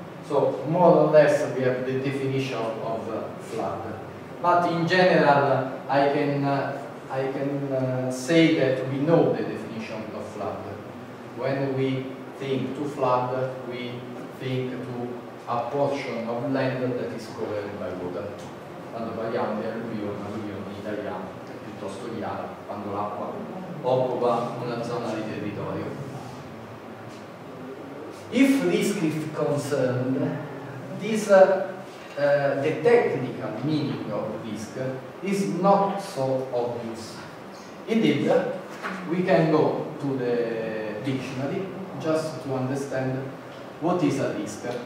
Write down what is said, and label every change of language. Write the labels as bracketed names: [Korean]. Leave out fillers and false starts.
[English] So more or less, we have the definition of flood. But in general, I can say that we know the definition of flood. When we think to flood, we think to a portion of land that is covered by water. [Italian] Quando parliamo di alluvione in italiano, è piuttosto chiaro, quando l'acqua occupa una zona di territorio. [English] If risk is concerned, the technical meaning of risk is not so obvious. Indeed, we can go to the dictionary just to understand what is a risk.